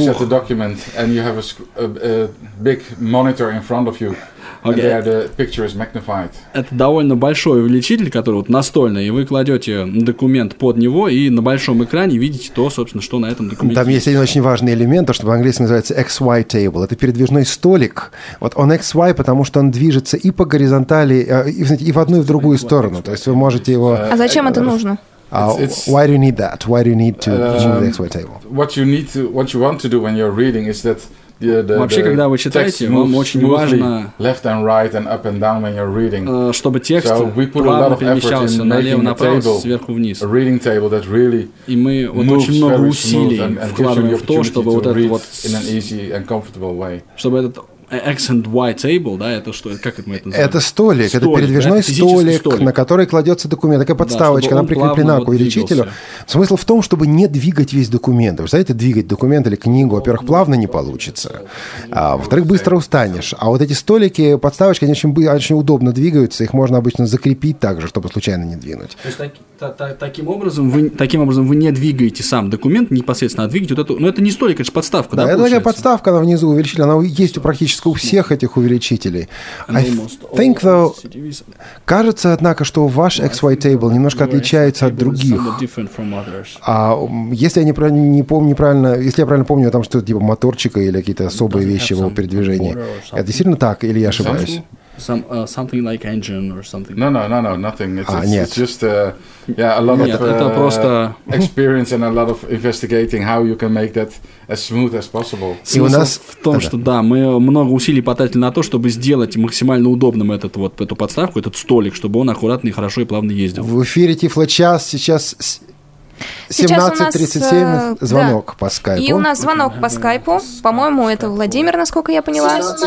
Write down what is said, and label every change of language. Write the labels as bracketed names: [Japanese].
[English] It looks at the document and you have a big monitor in front of you. Okay. And the picture is magnified. [Russian] Это довольно большой увеличитель, который вот настольный, и вы кладете документ под него, и на большом экране видите то, собственно, что на этом документе. Там есть один очень важный элемент, то, что по-английски называется XY table. Это передвижной столик. Вот он XY, потому что он движется и по горизонтали, и в одну, и в другую сторону. То есть вы можете его... А зачем это нужно? [English] Why do you need that? Why do you need to use the XY table? What you want to do when you're reading is that [Russian] Вообще, когда вы читаете, вам очень важно, [English] left and right and up and down when you're reading. [Russian] Чтобы текст плавно перемещался налево-направо, сверху-вниз. [English] Reading table that really [Russian] и мы вот очень много усилий вкладываем в то, чтобы вот этот вот... [English] In an easy and comfortable way. [Russian] Чтобы этот X and Y table, да, это что, как мы это называем? Это столик, это передвижной столик, на который кладется документ, такая подставочка, она прикреплена к увеличителю. Двигался. Смысл в том, чтобы не двигать весь документ. Вы знаете, двигать документ или книгу, во-первых, плавно не получится, а во-вторых, быстро устанешь. А вот эти столики, подставочки, они очень удобно двигаются, их можно обычно закрепить так же, чтобы случайно не двинуть. То есть таким образом вы не двигаете сам документ непосредственно, а двигаете вот эту... Но это не столик, это же подставка, да? Да, это такая подставка, она внизу увеличитель, она есть у практически у всех этих увеличителей. [English] I think, though, [Russian] кажется, однако, что ваш XY table немножко отличается от других. А если я правильно помню о том, что типа моторчика или какие-то особые вещи в его передвижении. Это действительно так, или я ошибаюсь? [English] Something like engine or something. No, nothing. It's just a lot of experience and a lot of investigating how you can make that as smooth as possible. [Russian] И у нас в том, что да, мы много усилий потратили на то, чтобы сделать максимально удобным этот вот эту подставку, этот столик, чтобы он аккуратно и хорошо и плавно ездил. В эфире Тифлочас сейчас 17:37 звонок по скайпу. И у нас звонок по скайпу. По-моему, это Владимир, насколько я поняла.